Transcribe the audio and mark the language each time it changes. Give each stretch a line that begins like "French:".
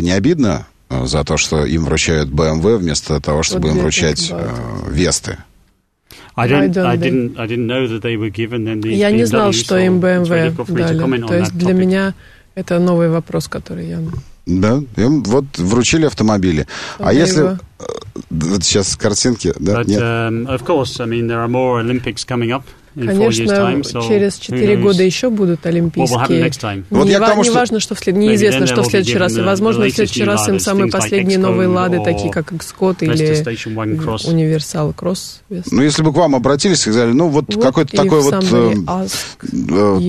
Russian: Не обидно за то, что им вручают BMW вместо того, чтобы им вручать Весты? Я не знал, что им BMW дали. То есть для меня это новый вопрос, который я... Да, им вот вручили автомобили. А если... Вот сейчас картинки, да? Нет?
English: Of course, I mean, there are more Olympics coming up.
Russian: Конечно, через 4 года еще будут Олимпийские. Неизвестно, что в следующий раз. Возможно, в следующий раз им самые последние новые лады, такие как X-Code или Universal Cross. Ну, если бы к вам обратились и сказали, какой-то такой вот...